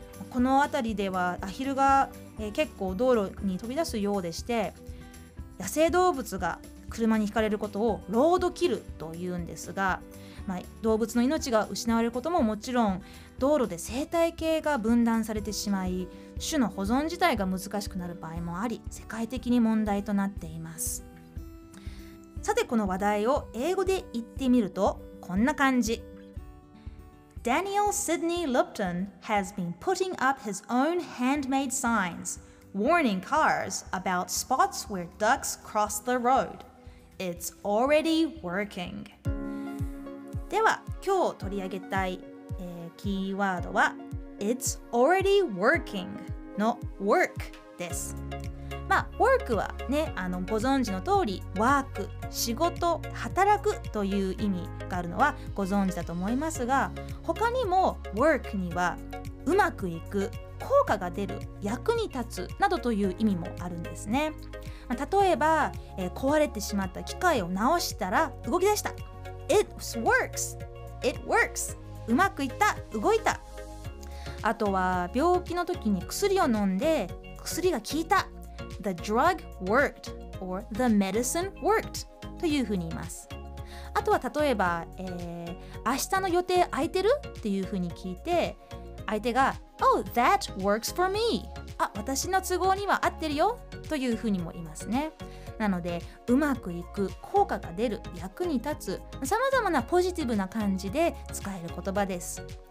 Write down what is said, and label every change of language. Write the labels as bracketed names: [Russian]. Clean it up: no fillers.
[Japanese] この辺りではアヒルが結構道路に飛び出すようでして野生動物が車に轢かれることをロードキルというんですが、動物の命が失われることももちろん道路で生態系が分断されてしまい種の保存自体が難しくなる場合もあり世界的に問題となっています。さてこの話題を英語で言ってみるとこんな感じ。 [English] Daniel Sidney Lupton has been putting up his own handmade signs warning cars about spots where ducks cross the roadIt's already working. [Japanese] では今日取り上げたい、キーワードは [English] It's already working [Japanese] の work です。 work はね、ご存知の通り work、仕事、働くという意味があるのはご存知だと思いますが他にも work にはうまくいく、効果が出る、役に立つなどという意味もあるんですね。例えば、壊れてしまった機械を直したら動き出した。 [English] It works. It works. [Japanese] うまくいった、動いた。あとは病気の時に薬を飲んで薬が効いた。 [English] The drug worked or the medicine worked [Japanese] というふうに言います。あとは例えば、明日の予定空いてる? っていうふうに聞いて相手が [English] Oh, that works for me. [Japanese] あ、私の都合には合ってるよというふうにも言いますね。なのでうまくいく、効果が出る、役に立つ、さまざまなポジティブな感じで使える言葉です。